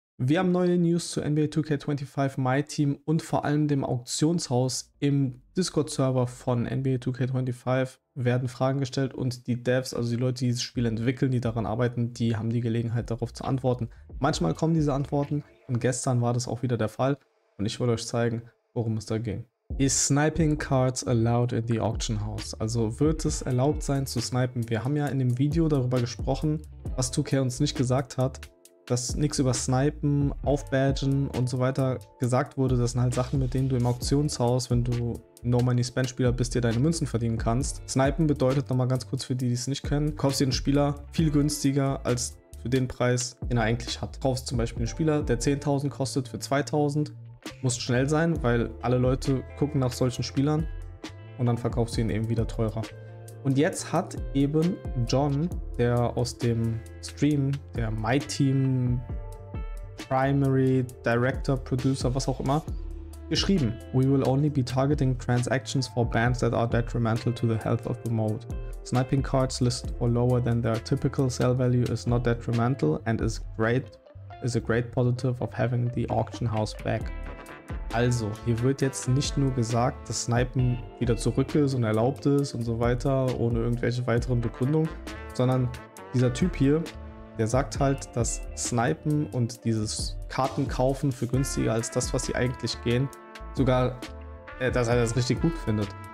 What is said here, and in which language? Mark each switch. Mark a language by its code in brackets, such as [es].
[de] Wir haben neue News zu NBA 2K25, My Team und vor allem dem Auktionshaus im Discord-Server von NBA 2K25 werden Fragen gestellt und die Devs, also die Leute, die dieses Spiel entwickeln, die daran arbeiten, die haben die Gelegenheit darauf zu antworten. Manchmal kommen diese Antworten und gestern war das auch wieder der Fall und ich wollte euch zeigen, worum es da ging. [en] Is sniping cards allowed in the auction house? [de] Also wird es erlaubt sein zu snipen? Wir haben ja in dem Video darüber gesprochen, was 2K uns nicht gesagt hat, dass nichts über Snipen, Aufbadgen und so weiter gesagt wurde. Das sind halt Sachen, mit denen du im Auktionshaus, wenn du No-Money-Spend-Spieler bist, dir deine Münzen verdienen kannst. Snipen bedeutet nochmal ganz kurz für die, die es nicht kennen, du kaufst dir einen Spieler viel günstiger als für den Preis, den er eigentlich hat. Du kaufst zum Beispiel einen Spieler, der 10.000 kostet für 2.000. Muss schnell sein, weil alle Leute gucken nach solchen Spielern und dann verkaufst du ihn eben wieder teurer. Und jetzt hat eben John, der aus dem Stream, der My Team Primary Director, Producer, was auch immer, geschrieben: [en] We will only be targeting transactions for bands that are detrimental to the health of the mode. Sniping cards listed for lower than their typical sell value is not detrimental and is a great positive of having the auction house back. [de] Also, hier wird jetzt nicht nur gesagt, dass Snipen wieder zurück ist und erlaubt ist und so weiter, ohne irgendwelche weiteren Begründungen, sondern dieser Typ hier, der sagt halt, dass Snipen und dieses Kartenkaufen für günstiger als das, was sie eigentlich gehen, sogar, dass er das richtig gut findet.